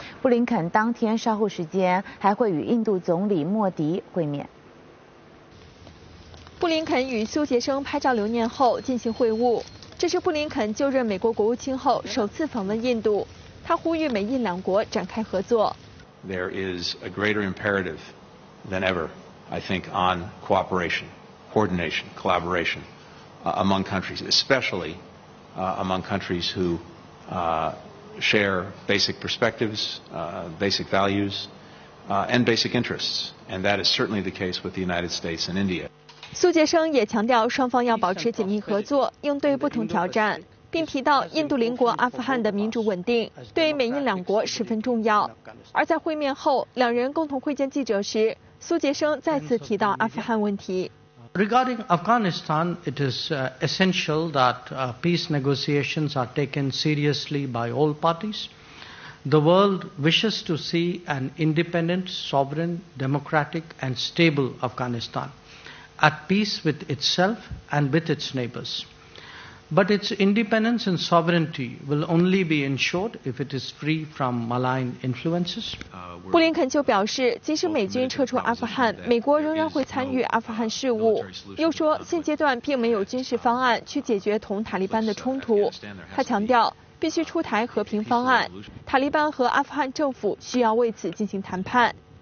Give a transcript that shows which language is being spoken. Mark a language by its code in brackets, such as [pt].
[zh] 布林肯当天稍后时间还会与印度总理莫迪会面。布林肯与苏杰生拍照留念后进行会晤，这是布林肯就任美国国务卿后首次访问印度，他呼吁美印两国展开合作。 [en] There is a greater imperative than ever, I think, on cooperation, coordination, collaboration, among countries, especially, among countries who, share basic perspectives, basic values, and basic interests. And that is certainly the case with the United States and India. [zh] 苏杰生也强调双方要保持紧密合作，应对不同挑战，并提到印度邻国阿富汗的民主稳定对美印两国十分重要。而在会面后，两人共同会见记者时，苏杰生再次提到阿富汗问题。 [en] Regarding Afghanistan, it is essential that peace negotiations are taken seriously by all parties. The world wishes to see an independent, sovereign, democratic, and stable Afghanistan at peace with itself and with its neighbors. But its independence and sovereignty will only be ensured if it is free from malign influences. [zh] 布林肯就表示，即使美军撤出阿富汗，美国仍然会参与阿富汗事务。又说，现阶段并没有军事方案去解决同塔利班的冲突。他强调，必须出台和平方案，塔利班和阿富汗政府需要为此进行谈判。